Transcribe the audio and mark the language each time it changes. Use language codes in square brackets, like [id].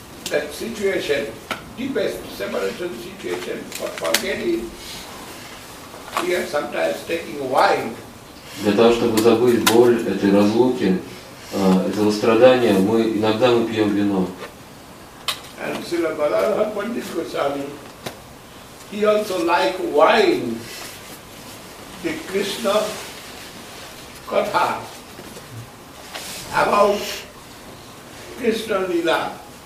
[en] That situation, deepest separation situation, for forgetting, we are sometimes taking wine. [ru] Для того, чтобы забыть боль этой разлуки, этого страдания, иногда мы пьем вино. [en] And Srila Balarama Pandit Goswami, he also like wine, the Krishna katha, about Krishna lila.